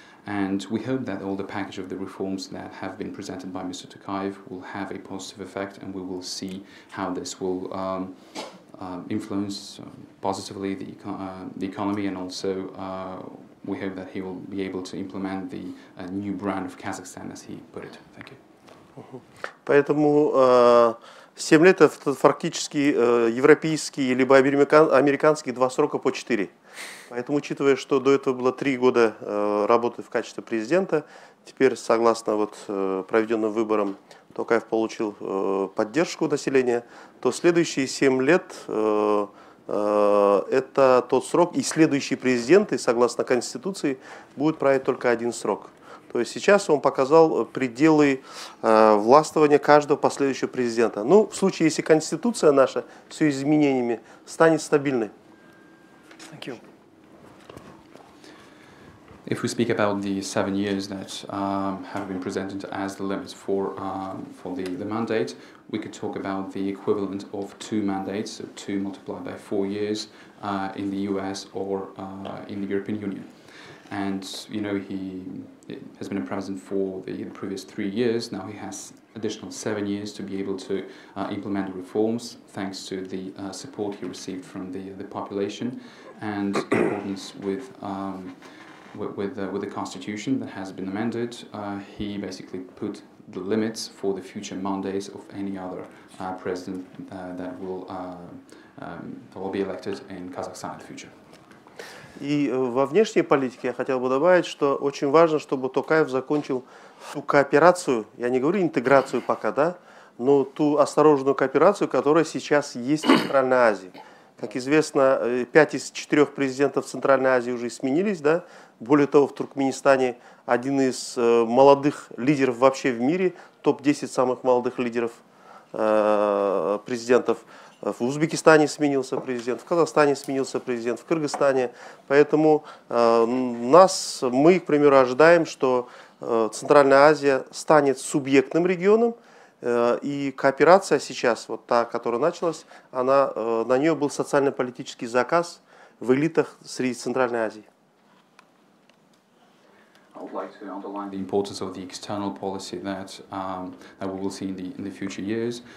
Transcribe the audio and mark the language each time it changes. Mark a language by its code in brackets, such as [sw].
[en] And we hope that all the package of the reforms that have been presented by Mr. Tokayev will have a positive effect, and we will see how this will influence positively the economy, and also we hope that he will be able to implement the new brand of Kazakhstan, as he put it. Thank you. [ru] Поэтому 7 лет это фактически европейский либо американский два срока по 4. Поэтому, учитывая, что до этого было 3 года работы в качестве президента, теперь, согласно вот, проведенным выборам, Токаев получил поддержку населения, то следующие 7 лет это тот срок, и следующие президенты, согласно Конституции, будут править только один срок. То есть сейчас он показал пределы властвования каждого последующего президента. Ну, в случае, если Конституция наша с ее изменениями станет стабильной. [en] Thank you. If we speak about the 7 years that have been presented as the limits for the mandate, we could talk about the equivalent of 2 mandates, so 2 multiplied by 4 years in the US or in the European Union. And, you know, he has been a president for the previous 3 years. Now he has additional 7 years to be able to implement the reforms, thanks to the support he received from the population and in accordance with the constitution that has been amended. He basically put the limits for the future mandates of any other president that will be elected in Kazakhstan in the future. [ru] И во внешней политике я хотел бы добавить, что очень важно, чтобы Токаев закончил ту кооперацию, я не говорю интеграцию пока, да, но ту осторожную кооперацию, которая сейчас есть в Центральной Азии. Как известно, 5 из 4 президентов Центральной Азии уже сменились, да, более того, в Туркменистане один из молодых лидеров вообще в мире, топ-10 самых молодых лидеров президентов. В Узбекистане сменился президент, в Казахстане сменился президент, в Кыргызстане. Поэтому мы, к примеру, ожидаем, что Центральная Азия станет субъектным регионом, и кооперация сейчас, вот та, которая началась, она, на нее был социально-политический заказ в элитах среди Центральной Азии. [en] I would like to underline the importance of the external policy that that we will see in the future years.